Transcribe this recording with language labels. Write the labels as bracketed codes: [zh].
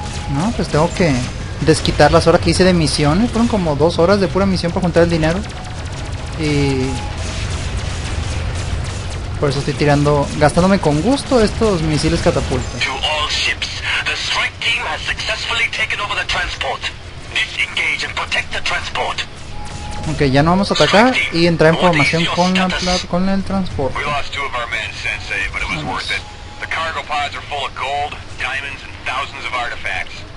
[es] No, pues tengo que desquitar las horas que hice de misiones. Fueron como 2 horas de pura misión para juntar el dinero. Y por eso estoy tirando, gastándome con gusto estos misiles catapulta. [en] To all ships, the strike team has successfully taken over the transport. Disengage and protect the transport. [es] Ok, ya no vamos a atacar y entrar en formación con el transporte. [en] We lost 2 of our men, Sensei, but it was worth it. The cargo pods are full of gold, diamonds and thousands of artifacts.